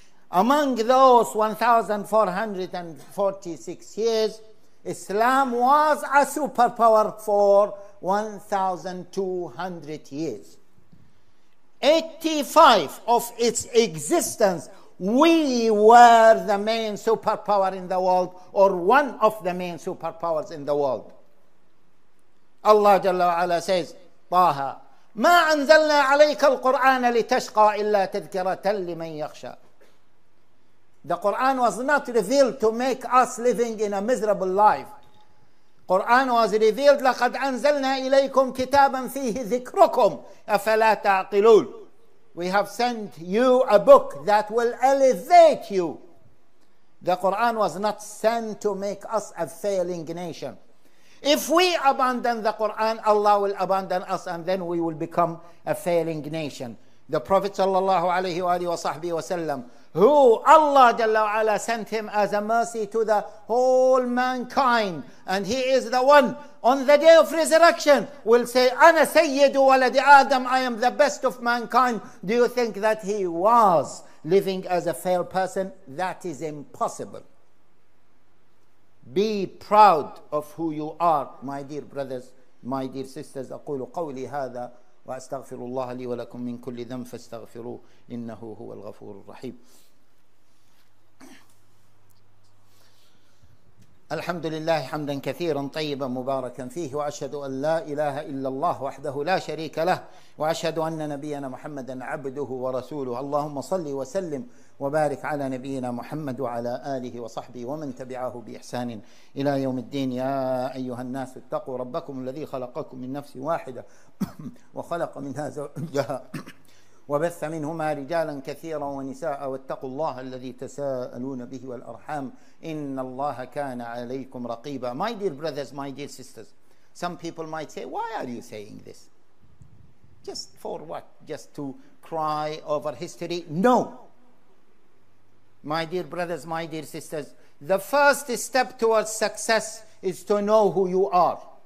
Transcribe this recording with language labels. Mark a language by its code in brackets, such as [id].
[en] Among those 1,446 years, Islam was a superpower for 1,200 years. 85 of its existence, we were the main superpower in the world, or one of the main superpowers in the world. [ar] Allah Jalla wa Ala says, Taha, ما أنزلنا عليك القرآن لتشقى إلا تذكرة لمن يخشى. [en] The Quran was not revealed to make us living in a miserable life. Quran was revealed, [ar] لَقَدْ أَنزَلْنَا إِلَيْكُمْ كِتَابًا فِيهِ ذِكْرُكُمْ أَفَلَا تَعْقِلُونَ. [en] We have sent you a book that will elevate you. The Quran was not sent to make us a failing nation. If we abandon the Quran, Allah will abandon us, and then we will become a failing nation. The Prophet sallallahu alayhi wa sallam who Allah Jalla wa Ala sent him as a mercy to the whole mankind. And he is the one on the day of resurrection will say, [ar] Ana Sayyidu Waladi Adam, [en] I am the best of mankind. Do you think that he was living as a failed person? That is impossible. Be proud of who you are, my dear brothers, my dear sisters. [ar] أقول قولي هذا وأستغفر الله لي ولكم من كل ذنب فاستغفروه إنه هو الغفور الرحيم. الحمد لله حمدا كثيرا طيبا مباركا فيه, وأشهد أن لا إله إلا الله وحده لا شريك له, وأشهد أن نبينا محمدا عبده ورسوله. اللهم صلِّ وسلِّم وبارك على نبينا محمد وعلى آله وصحبه ومن تبعه بإحسان إلى يوم الدين. يا أيها الناس اتقوا ربكم الذي خلقكم من نفس واحدة وخلق منها زوجها وبث منهما رجالا كثيرا ونساء, واتقوا الله الذي تساءلون به والأرحام إن الله كان عليكم رقيبا. [en] My dear brothers, my dear sisters, some people might say, why are you saying this? Just for what? Just to cry over history? No! My dear brothers, my dear sisters, the first step towards success is to know who you are.